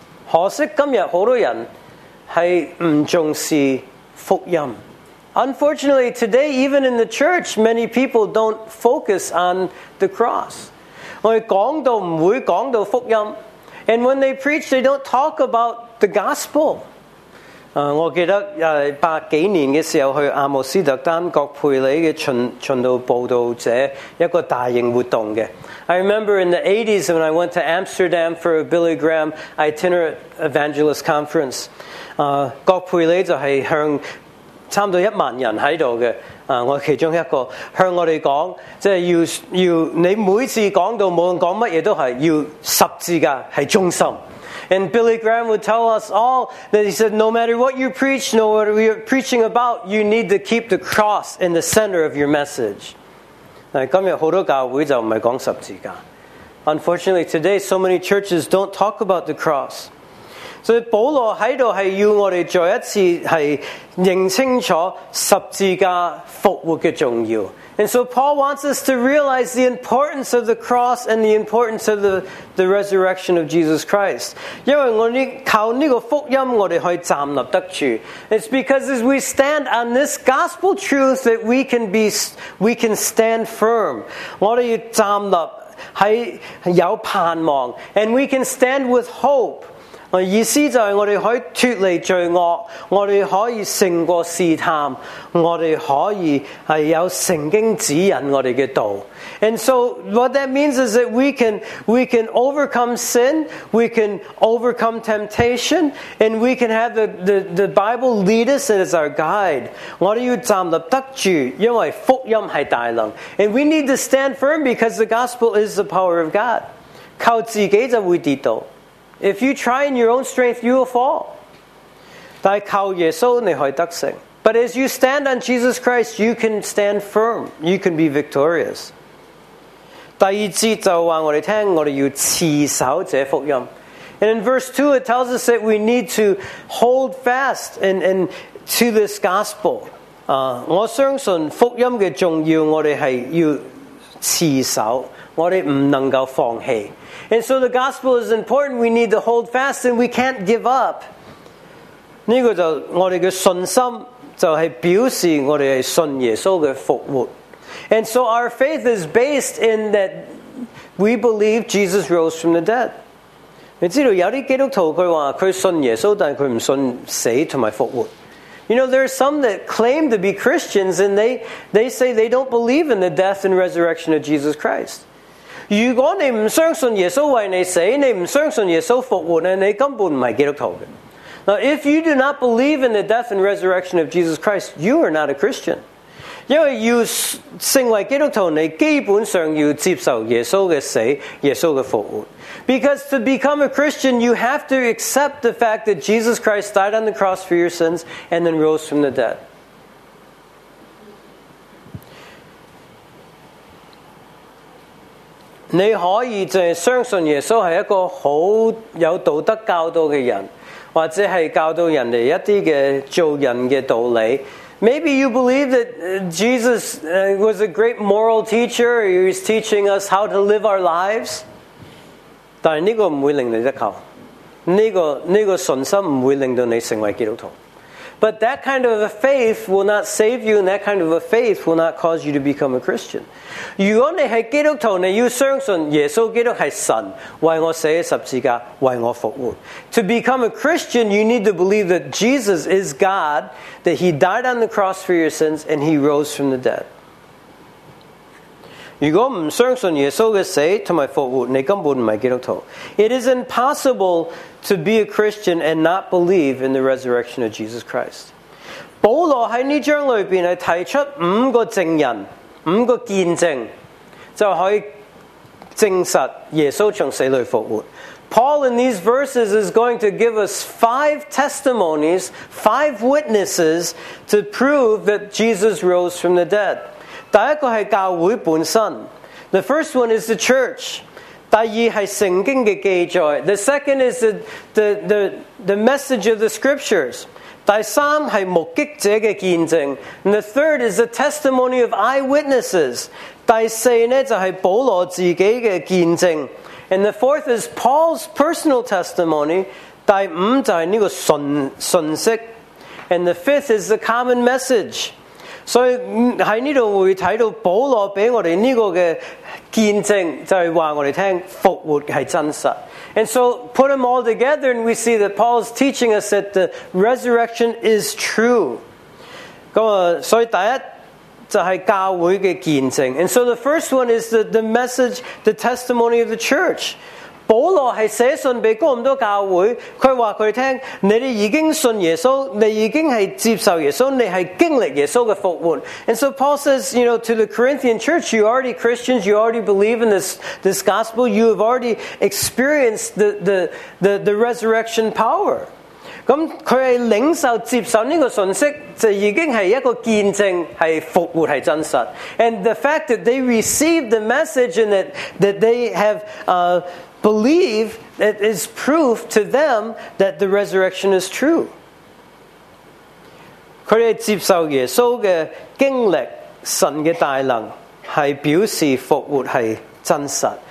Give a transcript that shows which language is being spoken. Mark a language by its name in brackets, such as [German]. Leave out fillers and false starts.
[Chinese] 可惜今天很多人是不重视福音 [English] Unfortunately today even in the church many people don't focus on the cross [Chinese] 我们讲到不会讲到福音 [English] And when they preach they don't talk aboutThe gospel. [Chinese] 我记得百几年的时候去阿姆斯特丹葛佩里的巡道报道者一个大型活动的。 [English] I remember in the 80s when I went to Amsterdam for a Billy Graham itinerant evangelist conference. [Chinese] 葛佩里就是向差不多一萬人在這裡，我其中一個向我們說，就是 要你每次講到無論講什麼都是要十字架是中心。 [English] And Billy Graham would tell us all that he said, no matter what you preach, no matter what you're preaching about, you need to keep the cross in the center of your message. [Chinese] 但今天很多教會就不是講十字架。 [English] Unfortunately, today so many churches don't talk about the cross. [Chinese] 所以保罗在这里是要我们再一次是认清楚十字架复活的重要。 [English] And so Paul wants us to realize the importance of the cross and the importance of the resurrection of Jesus Christ. [Chinese] 因为我们靠这个福音我们可以站立得住。 [English] It's because as we stand on this gospel truth that we can stand firm. [Chinese] 我们要站立是有盼望。 [English] And we can stand with hope. [Chinese] 意思就是我们可以脱离罪恶，我们可以胜过试探，我们可以有圣经指引我们的道。 [English] And so what that means is that we can overcome sin, we can overcome temptation, and we can have the Bible lead us as our guide. [Chinese] 我们要站立得住，因为福音是大能。 [English] And we need to stand firm because the gospel is the power of God. [Chinese] 靠自己就会跌倒。 [English] If you try in your own strength, you will fall. [Chinese] 但靠耶稣你可以得胜。 [English] But as you stand on Jesus Christ, you can stand firm. You can be victorious. [Chinese] 第二节就话我哋听，我哋要持守这福音。 [English] And in verse 2, it tells us that we need to hold fast and to this gospel. [Chinese] 我相信福音的重要，我哋是要持守，我哋不能够放弃。 [English] And so the gospel is important. We need to hold fast and we can't give up. [Chinese] 这个就我们的信心就是表示我们是信耶稣的复活。 [English] And so our faith is based in that we believe Jesus rose from the dead. [Chinese] 你知道有些基督徒他说他信耶稣但他不信死和复活。 [English] You know, there are some that claim to be Christians and they say they don't believe in the death and resurrection of Jesus Christ. [Chinese] 如果你不相信耶稣为你死，你不相信耶稣复活，你根本不是基督徒的。 [English] Now, if you do not believe in the death and resurrection of Jesus Christ, you are not a Christian. [Chinese] 因为要成为基督徒，你基本上要接受耶稣的死，耶稣的复活。 [English] Because to become a Christian, you have to accept the fact that Jesus Christ died on the cross for your sins and then rose from the dead. [Chinese] 你可以就是相信耶稣是一个很有道德教导的人，或者是教导人家一些的做人的道理。 [English] Maybe you believe that Jesus was a great moral teacher, he was teaching us how to live our lives. [Chinese] 但这个不会令你得救，这个信心不会令到你成为基督徒。 [English] But that kind of a faith will not save you, and that kind of a faith will not cause you to become a Christian. [Chinese] 如果你是基督徒，你要相信耶稣基督是神，为我死十字架，为我复活。 [English] To become a Christian, you need to believe that Jesus is God, that he died on the cross for your sins, and he rose from the dead. [Chinese] 如果不相信耶稣的死和复活，你根本不是基督徒。 [English] It is impossible to be a Christian and not believe in the resurrection of Jesus Christ. [Chinese] 保罗在这章里面提出五个证人，五个见证，就可以证实耶稣从死里复活。 [English] Paul in these verses is going to give us five testimonies, five witnesses to prove that Jesus rose from the dead. [Chinese] 第一个是教会本身。 [English] The first one is the church. [Chinese] 第二是圣经的记载。 [English] The second is the message of the scriptures. [Chinese] 第三是目击者的见证。 [English] And the third is the testimony of eyewitnesses. [Chinese] 第四呢就是保罗自己的见证。 [English] And the fourth is Paul's personal testimony. [Chinese] 第五就是这个信息。 [English] And the fifth is the common message. [Chinese] 所以在这里会看到保罗给我们这个见证，就是告诉我们复活是真实。 [English] And so put them all together and we see that Paul is teaching us that the resurrection is true. [Chinese] 所以第一就是教会的见证。 [English] And so the first one is the message, the testimony of the church. [Chinese] 保罗是写信给哥林多教会，他说他听，你们已经信耶稣，你已经是接受耶稣，你是经历耶稣的复活。 [English] And so Paul says, you know, to the Corinthian church, you already Christians, you already believe in this gospel, you have already experienced the resurrection power. [Chinese] 他是领受接受这个信息，就已经是一个见证，是复活，是真实。 [English] And the fact that they received the message and that they have believe that is proof to them that the resurrection is true. [Chinese] 他们接受耶稣的经历，神的大能，是表示复活是真实。